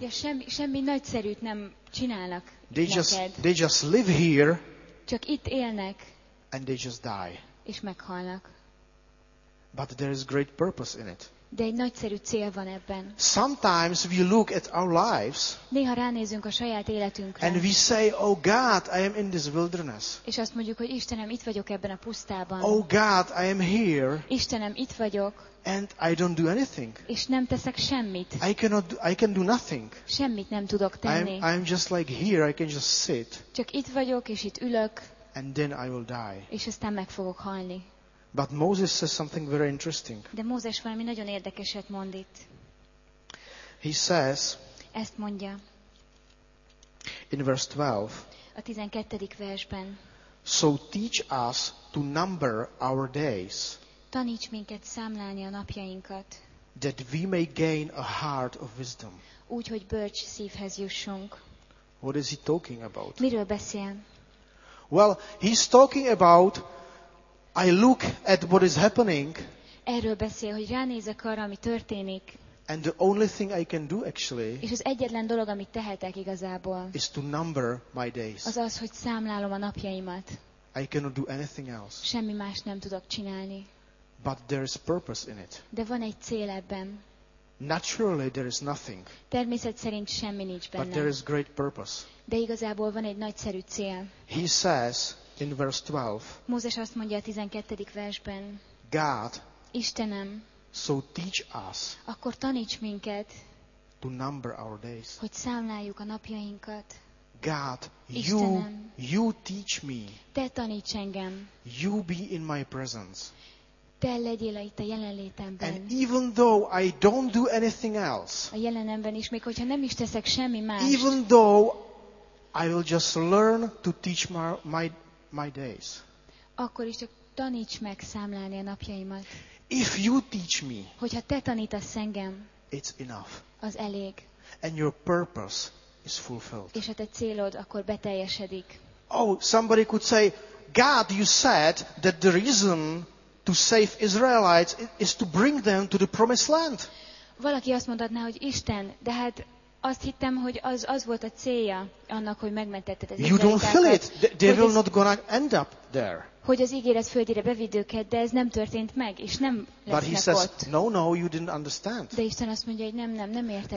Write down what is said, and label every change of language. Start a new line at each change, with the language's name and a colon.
Hungarian: Ja, semmi nagyszerűt nem csinálnak neked.
English: They just live here.
Hungarian: Csak itt élnek.
English: And they just die.
Hungarian: És meghalnak.
English: But there is great purpose in it.
Hungarian: De egy nagyszerű cél van ebben.
English: Sometimes we look at our lives.
Hungarian: Néha ránézünk a saját életünkre.
English: And we say, oh God, I am in this wilderness.
Hungarian: És azt mondjuk, hogy Istenem, itt vagyok ebben a pusztában.
English: Oh God, I am here.
Hungarian: Istenem, itt vagyok.
English: And I don't do anything.
Hungarian: És nem teszek semmit.
English: I can do nothing.
Hungarian: Semmit nem tudok tenni.
English: I'm just like here, I can just sit.
Hungarian: Csak itt vagyok és itt ülök.
English: And then I will die.
Hungarian: És aztán meg fogok halni.
English: But Moses says something very interesting.
Hungarian: De Mózes valami nagyon érdekeset mond itt.
English: He says,
Hungarian: ezt mondja,
English: in verse 12,
Hungarian: a 12. versben,
English: so teach us to number our days,
Hungarian: taníts minket számlálni a napjainkat,
English: that we may gain a heart of wisdom.
Hungarian: Úgy, hogy bölcs szívhez jussunk.
English: What is he talking about?
Hungarian: Miről beszél?
English: Well, he's talking about I look at what is happening.
Hungarian: Erről beszél, hogy ránézek arra, ami történik.
English: And the only thing I can do actually
Hungarian: és az egyetlen dolog, amit tehetek igazából,
English: is to number my days.
Hungarian: Az az, hogy számlálom a napjaimat.
English: I cannot do anything else.
Hungarian: Semmi más nem tudok csinálni.
English: But there is purpose in it.
Hungarian: De van egy cél ebben.
English: Naturally there is nothing.
Hungarian: Természet szerint semmi nincs benne.
English: But there is great purpose.
Hungarian: De igazából van egy nagyszerű cél.
English: He says in verse 12.
Hungarian: Mózes azt mondja a 12. versben.
English: God.
Hungarian: Istenem.
English: So teach us.
Hungarian: Akkor taníts minket.
English: To number our days.
Hungarian: Hogy számláljuk a napjainkat.
English: God,
Hungarian: Istenem,
English: you teach me.
Hungarian: Te taníts engem.
English: You be in my presence.
Hungarian: Te legyél itt a jelenlétemben.
English: And even though I don't do anything else.
Hungarian: A jelenemben is, még hogyha nem is teszek semmi mást.
English: Even though I will just learn to teach my days.
Hungarian: Akkor is csak taníts meg számlálni a napjaimat.
English: If you teach me.
Hungarian: Hogyha te tanítasz engem.
English: It's enough.
Hungarian: Az elég.
English: And your purpose is fulfilled.
Hungarian: És a te célod akkor beteljesedik.
English: Oh, somebody could say, God, you said that the reason to save Israelites is to bring them to the promised land.
Hungarian: Valaki azt mondhatná, hogy Isten, de hát azt hittem, hogy az volt a célja annak, hogy megmentetted ezeket.
English: You don't feel it. They will not gonna end up there.
Hungarian: Hogy az ígéret földjére bevidd őket, de ez nem történt meg, és nem lesznek ott.
English: But he says, no, you didn't understand.
Hungarian: De Isten azt mondja, hogy nem érted.